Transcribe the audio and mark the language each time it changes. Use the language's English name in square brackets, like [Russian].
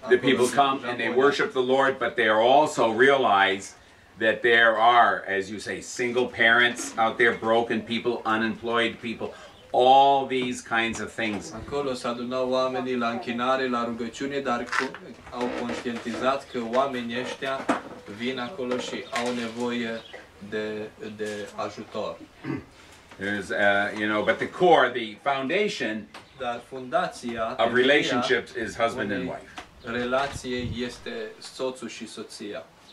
[English] The people come and they worship the Lord, but they are also realize that there are, as you say, single parents out there, broken people, unemployed people, all these kinds of things. [Romanian] Acolo s-adunau oamenii la închinare, la rugăciune, dar au conștientizat că oamenii ăștia vin acolo și au nevoie de ajutor. [English] There's you know, but the core, the foundation, [Romanian] dar fundația [English] of relationships is husband and wife. [Romanian] Relație este soțul și soția.